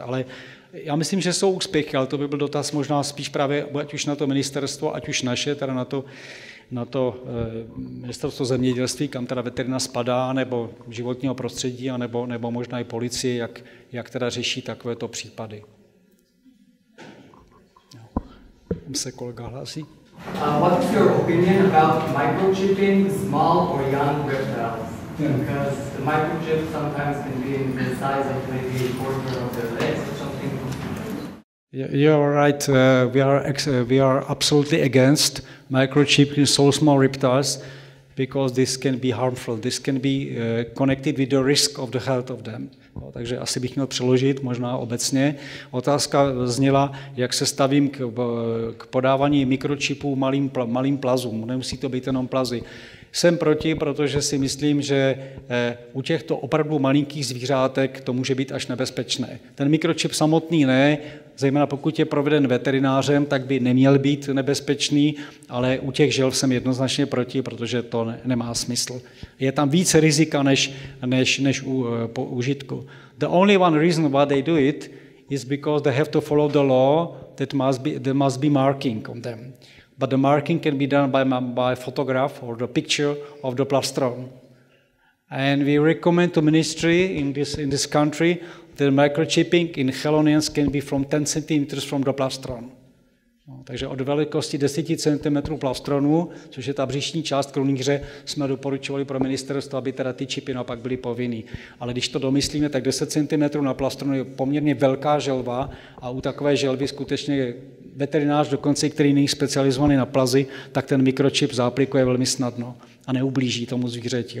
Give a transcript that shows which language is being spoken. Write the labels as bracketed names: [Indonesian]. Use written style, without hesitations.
[Czech] Ale já myslím, že jsou úspěchy, ale to by byl dotaz možná spíš právě ať už na to ministerstvo, ať už naše, teda na to ministerstvo zemědělství, kam teda veterina spadá, nebo životního prostředí, nebo možná i policie, jak teda řeší takovéto případy. Tam se kolega hlásí. [English] What's your opinion about microchipping small or young reptiles? Because the microchip sometimes can be in the size of maybe a quarter of their legs. You're right, we are absolutely against microchipping so small reptiles because this can be harmful, this can be connected with the risk of the health of them. [Czech] No, takže asi bych měl přeložit možná obecně. Otázka zněla, jak se stavím k podávání mikročipů malým plazům, nemusí to být jenom plazy. Jsem proti, protože si myslím, že u těchto opravdu malinkých zvířátek to může být až nebezpečné. Ten mikročip samotný ne, zejména pokud je proveden veterinářem, tak by neměl být nebezpečný, ale u těch želv jsem jednoznačně proti, protože to nemá smysl. Je tam více rizika než po užitku. [English] The only one reason why they do it is because they have to follow the law that there must be marking on them. But the marking can be done by photograph or the picture of the plastron. And we recommend to ministry in this country that microchipping in chelonians can be from 10 centimeters from the plastron. [Czech] No, takže od velikosti 10 cm plastronu, což je ta břišní část krunýře, jsme doporučovali pro ministerstvo, aby teda ty čipy naopak byly povinný. Ale když to domyslíme, tak 10 cm na plastronu je poměrně velká želva a u takové želvy skutečně veterinář dokonce, který není specializovaný na plazy, tak ten mikročip záplikuje velmi snadno a neublíží tomu zvířeti.